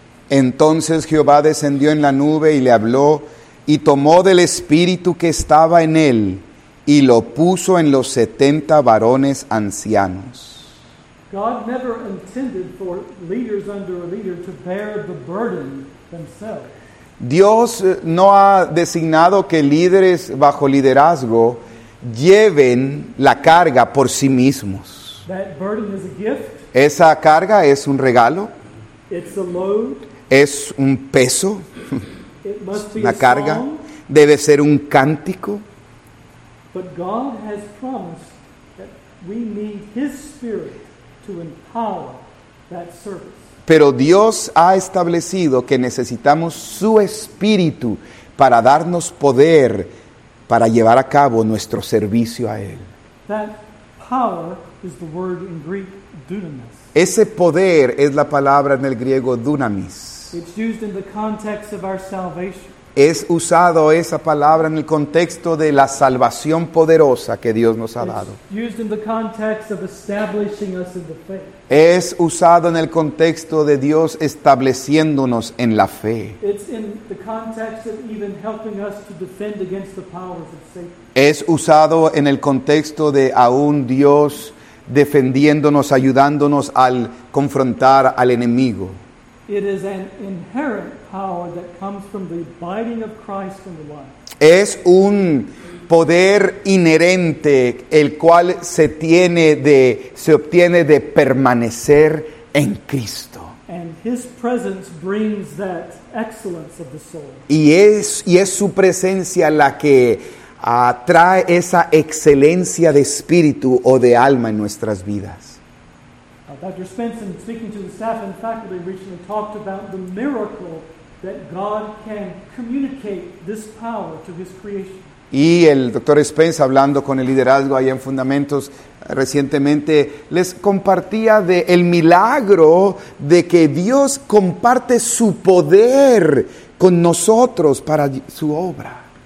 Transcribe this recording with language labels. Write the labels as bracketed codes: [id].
[es] Entonces Jehová descendió en la nube y le habló y tomó del espíritu que estaba en él y lo puso en los 70 varones ancianos. [en] God never intended for leaders under a leader to bear the burden themselves. [es] Dios no ha designado que líderes bajo liderazgo lleven la carga por sí mismos. [en] That burden is a gift. [es] Esa carga es un regalo. [en] It's a load. [es] Es un peso. [en] It must be [es] una carga. [en] A song. [es] Debe ser un cántico. [en] But God has promised that we need his spirit to empower that service. [es] Pero Dios ha establecido que necesitamos su espíritu para darnos poder para llevar a cabo nuestro servicio a él. [en] That power is the word in Greek. [el] Dunamis. [es] Ese poder es la palabra en el griego dunamis. [en] It's used in the context of our salvation. [es] es usado esa palabra en el contexto de la salvación poderosa que Dios nos ha dado. [en] Used in the context of establishing us in the faith. [es] Es usado en el contexto de Dios estableciéndonos en la fe. [en] It's in the context of even helping us to defend against the powers of Satan. [es] Es usado en el contexto de aún Dios defendiéndonos, ayudándonos al confrontar al enemigo. [en] It is an inherent power that comes from the abiding of Christ in the life. [es] Es un poder inherente el cual se obtiene de permanecer en Cristo. [en] And his presence brings that excellence of the soul. [es] Y es su presencia la que trae esa excelencia de espíritu o de alma en nuestras vidas. [en] Dr. Spencer, speaking to the staff and faculty recently, talked about the miracle that God can communicate this power to his creation. [es] Y el Dr. Spence, hablando con el liderazgo allá en Fundamentos recientemente, les compartía de el milagro de que Dios comparte su poder con nosotros para su obra.